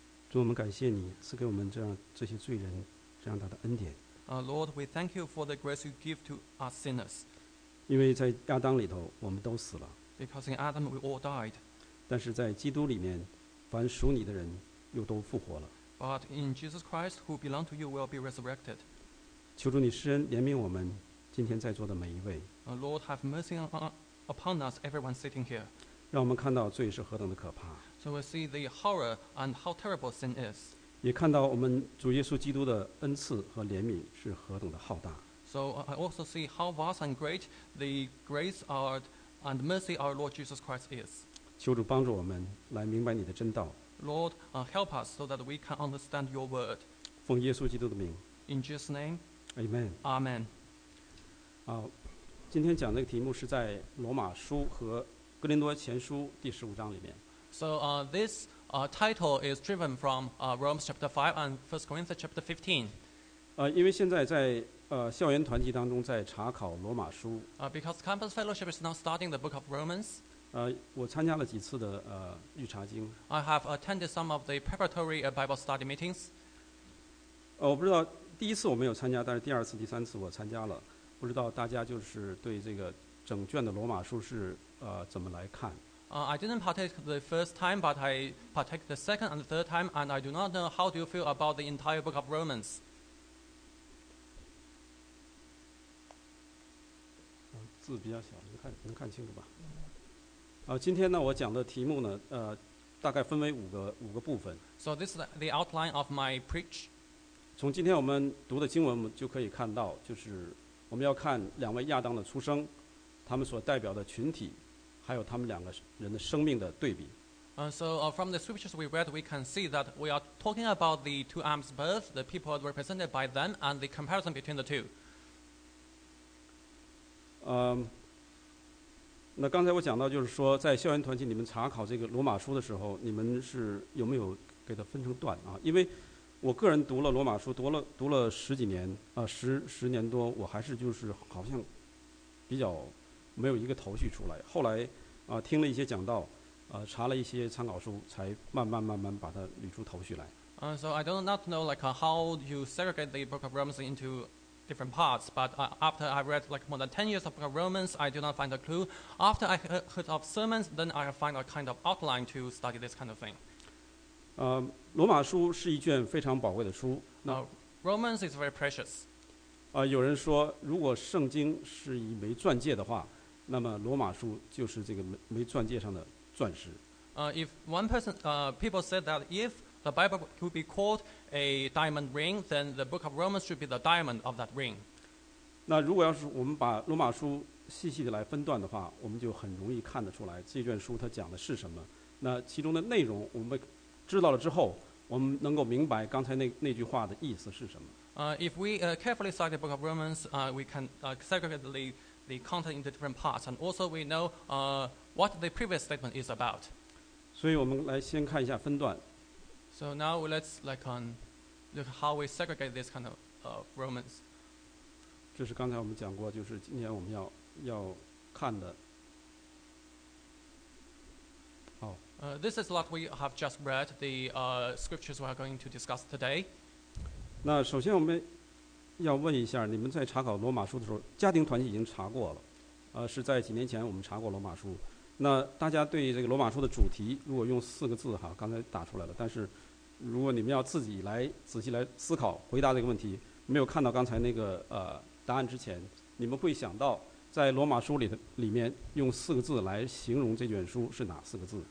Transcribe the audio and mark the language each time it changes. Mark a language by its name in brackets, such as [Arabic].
[Chinese] 主，我们感谢你赐给我们这些罪人这样大的恩典。 [English] Lord, we thank you for the grace you give to us sinners. [Chinese] 因为在亚当里头，我们都死了。 [English] Because in Adam we all died. [Chinese] 但是在基督里面，凡属你的人又都复活了。 [English] But in Jesus Christ, who belong to you, will be resurrected. [Chinese] 求主你施恩怜悯我们今天在座的每一位。 [English] Lord, have mercy upon us, everyone sitting here. [Chinese] 让我们看到罪是何等的可怕。 [English] So we see the horror and how terrible sin is. [Chinese] 也看到我们主耶稣基督的恩赐和怜悯是何等的浩大。 [English] So I also see how vast and great the grace and mercy our Lord Jesus Christ is. [Chinese] 求主帮助我们来明白你的真道。 [English] Lord, help us so that we can understand your word. [Chinese] 奉耶稣基督的名。 [English] In Jesus' name. Amen. Amen. [Chinese] 今天讲的题目是在罗马书和哥林多前书第十五章里面。 [English] So this title is driven from Romans chapter 5 and 1 Corinthians chapter 15. [Chinese] 因为现在在校园团体当中在查考罗马书。 [English] Because campus fellowship is now studying the book of Romans. [Chinese] 我参加了几次的预查经。 [English] I have attended some of the preparatory Bible study meetings. [Chinese] 我不知道第一次我没有参加，但是第二次、第三次我参加了。不知道大家就是对这个整卷的罗马书是怎么来看？ [English] I didn't partake the first time, but I partake the second and the third time, and I do not know how do you feel about the entire book of Romans. [Chinese] 字比较小，能看清楚吧？今天呢，我讲的题目呢，大概分为五个部分。 [English] So this is the outline of my preach. [Chinese] 从今天我们读的经文，我们就可以看到，就是我们要看两位亚当的出生，他们所代表的群体。还有他们两个人的生命的对比。 [English] From the scriptures we read, we can see that we are talking about the two Adam's birth, the people represented by them, and the comparison between the two. [Chinese] 那刚才我讲到就是说，在校园团体你们查考这个罗马书的时候，你们是有没有给它分成段啊？因为我个人读了罗马书，读了十几年，十年多，我还是就是好像比较。没有一个头绪出来。后来，听了一些讲道，查了一些参考书，才慢慢把它捋出头绪来。 [English] So I do not know like how you segregate the book of Romans into different parts. But after I read like more than 10 years of book of Romans, I do not find a clue. After I heard of sermons, then I find a kind of outline to study this kind of thing. [Chinese] 罗马书是一卷非常宝贵的书。 [English] Romans is very precious. [Chinese] 有人说，如果圣经是一枚钻戒的话。那么罗马书就是这个枚钻戒上的钻石。 [English] If one person, people said that if the Bible could be called a diamond ring, then the book of Romans should be the diamond of that ring. [Chinese] 那如果要是我们把罗马书细细的来分段的话，我们就很容易看得出来这卷书它讲的是什么。那其中的内容我们知道了之后，我们能够明白刚才那句话的意思是什么。 [English] If we carefully study the book of Romans, we can segregately. The content into different parts, and also we know what the previous statement is about. [Chinese] 所以我们来先看一下分段。 [English] So now let's like on look how we segregate this kind of Romans. [Chinese] 这是刚才我们讲过，就是今天我们要看的。好。 [English] This is what we have just read. The scriptures we are going to discuss today. [Chinese] 那首先我们。要问一下，你们在查考罗马书的时候，家庭团体已经查过了，是在几年前我们查过罗马书。那大家对这个罗马书的主题，如果用四个字哈，刚才打出来了。但是，如果你们要自己来仔细来思考回答这个问题，没有看到刚才那个答案之前，你们会想到在罗马书里面用四个字来形容这卷书是哪四个字？